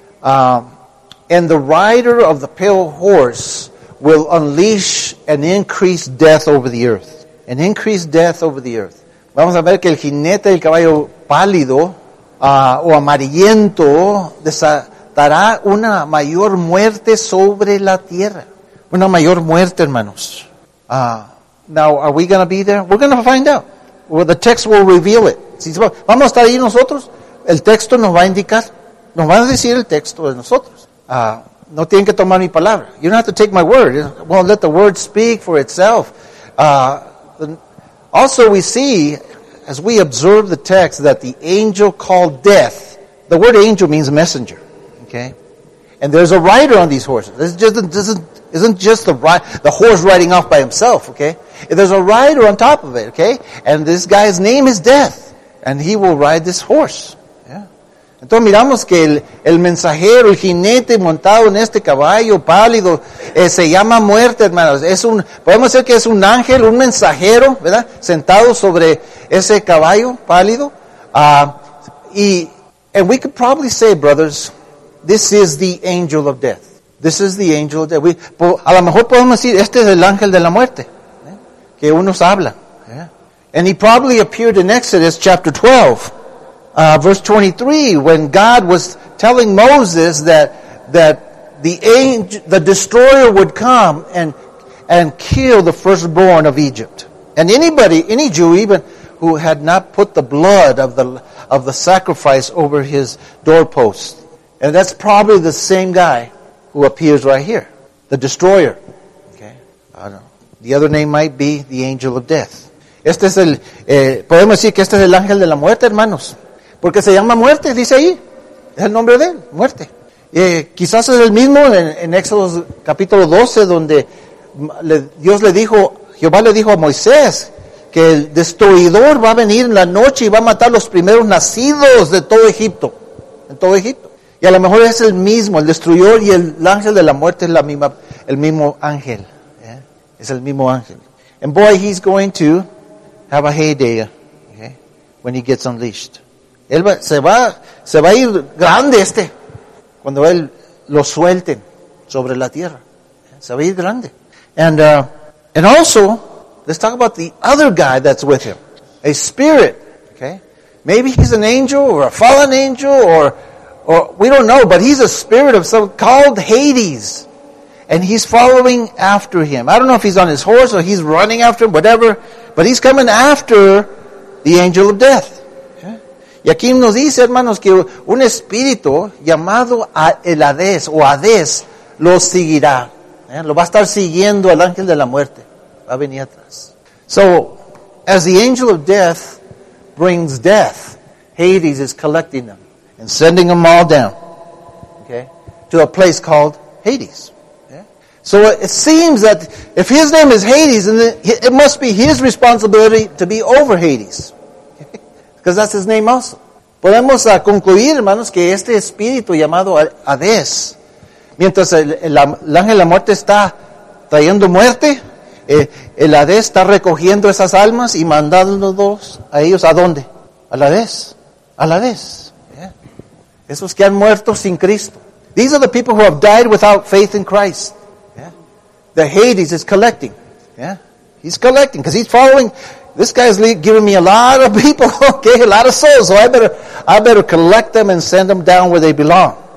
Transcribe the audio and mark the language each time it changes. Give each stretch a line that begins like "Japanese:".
English: And the rider of the pale horse will unleash an increased death over the earth. An increased death over the earth.
Spanish: Vamos a ver que el jinete del caballo pálido o amarillento desatará una mayor muerte sobre la tierra. Una mayor muerte, hermanos.
English: Now, are we going to be there? We're going to find out. Well, the text will reveal it.
Spanish: ¿Vamos a estar ahí nosotros? El texto nos va a indicar. Nos va a decir el texto de nosotros. No tienen que tomar mi palabra.
English: You don't have to take my word. Well, let the word speak for itself. Also, we see, as we observe the text, that the angel called Death, the word angel means messenger, okay? And there's a rider on these horses. This isn't just the horse riding off by himself, okay? There's a rider on top of it, okay? And this guy's name is Death, and he will ride this horse. Yeah.
Spanish: Entonces miramos que el mensajero, el jinete montado en este caballo pálido, se llama Muerte, hermanos. Podemos decir que es un ángel, un mensajero, ¿verdad? Sentado sobre ese caballo pálido.
English: And we could probably say, brothers, this is the angel of death. This is the angel of death.
Spanish: A lo mejor podemos decir, este es el ángel de la muerte, que unos hablan.
English: Yeah. And he probably appeared in Exodus chapter 12. Verse 23, when God was telling Moses that the destroyer would come and kill the firstborn of Egypt. And anybody, any Jew even, who had not put the blood of the sacrifice over his doorpost. And that's probably the same guy who appears right here. The destroyer. Okay. The other name might be the angel of death.
Spanish: Este es el, podemos decir que este es el ángel de la muerte, hermanos. Porque se llama muerte, dice ahí. Es el nombre de él, muerte. Quizás es el mismo en Éxodo capítulo 12, donde Jehová le dijo a Moisés que el destruidor va a venir en la noche y va a matar los primeros nacidos de todo Egipto. En todo Egipto. Y a lo mejor es el mismo, el destruidor y el ángel de la muerte es el mismo ángel. Yeah? Es el mismo ángel.
English: And boy, he's going to have a heyday, okay, when he gets unleashed.
Spanish: Él va, se va a ir grande este, cuando él lo suelten sobre la tierra. Se va a ir grande.
English: And also, let's talk about the other guy that's with him. A spirit, okay? Maybe he's an angel or a fallen angel or we don't know, but he's a spirit of some called Hades. And he's following after him. I don't know if he's on his horse or he's running after him, whatever. But he's coming after the angel of death. Okay.
Spanish: Y aquí nos dice, hermanos, que un espíritu llamado el Hades o Hades lo seguirá. Lo va a estar siguiendo al ángel de la muerte. Va a venir atrás.
English: So, as the angel of death brings death, Hades is collecting them and sending them all down, okay, to a place called Hades. So it seems that if his name is Hades, then it must be his responsibility to be over Hades. Because that's his name also.
Spanish: Podemos concluir, hermanos, que este espíritu llamado Hades, mientras el ángel de la muerte está trayendo muerte, el Hades está recogiendo esas almas y mandándolos a ellos, ¿a dónde? Al Hades. Al Hades. Yeah. Esos que han muerto sin Cristo.
English: These are the people who have died without faith in Christ. The Hades is collecting. Yeah. He's collecting because he's following. This guy's giving me a lot of people, okay, a lot of souls. So I better collect them and send them down where they belong.